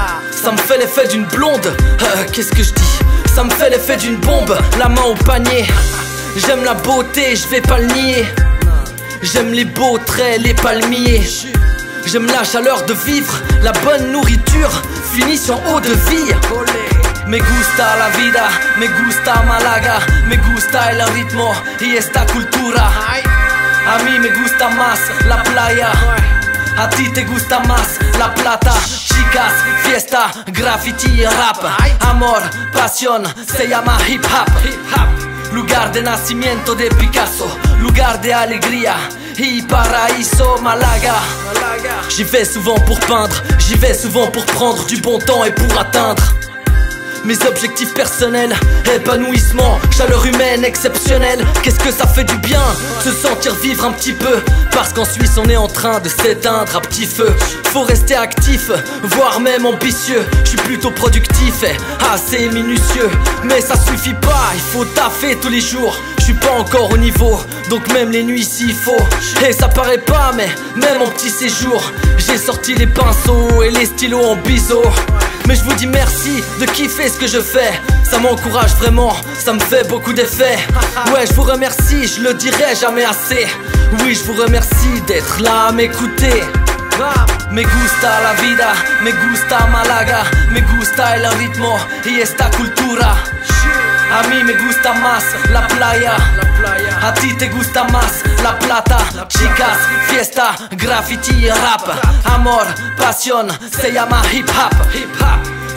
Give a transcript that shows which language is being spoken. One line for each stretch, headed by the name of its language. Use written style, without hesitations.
French: Ça me fait l'effet d'une blonde. Qu'est-ce que je dis? Ça me fait l'effet d'une bombe, la main au panier. J'aime la beauté, je vais pas le nier. J'aime les beaux traits, les palmiers. J'aime la chaleur de vivre, la bonne nourriture, finis en eau de vie.
Spanish: Me gusta la vida, me gusta Malaga, me gusta el ritmo y esta cultura. A mí me gusta más la playa. A ti te gusta más la plata. Chicas, fiesta, graffiti, rap. Amor, pasión, se llama hip hop. Lugar de nacimiento de Picasso. Lugar de alegría y paraíso Malaga.
French: J'y vais souvent pour peindre. J'y vais souvent pour prendre du bon temps et pour atteindre mes objectifs personnels. Épanouissement, chaleur humaine exceptionnelle. Qu'est-ce que ça fait du bien, se sentir vivre un petit peu. Parce qu'en Suisse on est en train de s'éteindre à petit feu. Faut rester actif, voire même ambitieux. Je suis plutôt productif et assez minutieux. Mais ça suffit pas, il faut taffer tous les jours. Je suis pas encore au niveau, donc même les nuits s'il faut. Et ça paraît pas, mais même en petit séjour, j'ai sorti les pinceaux et les stylos en biseau. Mais je vous dis merci de kiffer ce que je fais. Ça m'encourage vraiment, ça me fait beaucoup d'effet. Ouais, je vous remercie, je le dirai jamais assez. Oui, je vous remercie d'être là à m'écouter.
Spanish: Me gusta la vida, me gusta Malaga, me gusta el ritmo y esta cultura. A mí me gusta más la playa. A ti te gusta más la plata. Chicas, fiesta, graffiti, rap. Amor, pasión, se llama hip hop.